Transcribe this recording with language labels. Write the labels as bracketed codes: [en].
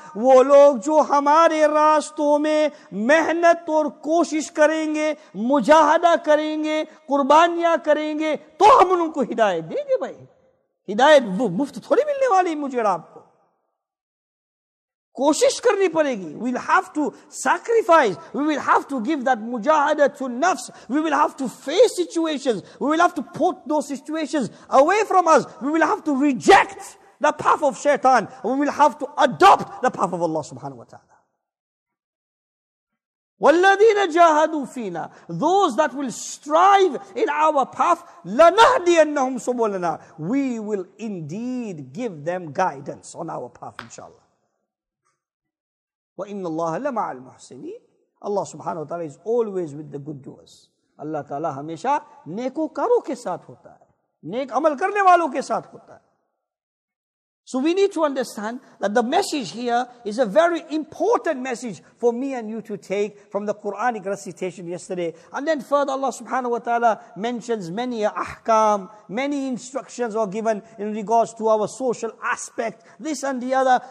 [ur] وہ لوگ جو ہمارے راستوں میں محنت اور کوشش کریں گے, مجاہدہ کریں گے, قربانیاں کریں گے, تو ہم ان کو ہدایت دیں گے. بھائی ہدایت وہ مفت تھوڑی ملنے والی مجھے اور آپ کو, کوشش کرنی پڑے گی. [en] We'll have to sacrifice. We will have to give that mujahada to nafs. We will have to face situations. We will have to put those situations away from us. We will have to reject the path of shaitan. We will have to adopt the path of Allah subhanahu wa ta'ala. [ar] وَالَّذِينَ جَاهَدُوا فِينَا. [en] Those that will strive in our path, [ar] لَنَهْدِيَنَّهُمْ سُبُلَنَا. [en] We will indeed give them guidance on our path, inshallah. [ar] وَإِنَّ اللَّهَ لَمَعَ الْمُحْسِنِينَ. [en] Allah subhanahu wa ta'ala is always with the good doers. [ur] Allah ta'ala ہمیشہ نیکوکاروں کے ساتھ ہوتا ہے, نیک عمل کرنے والوں کے ساتھ ہوتا ہے. [en] So we need to understand that the message here is a very important message for me and you to take from the Quranic recitation yesterday. And then further, Allah subhanahu wa ta'ala mentions many ahkam, many instructions are given in regards to our social aspect, this and the other.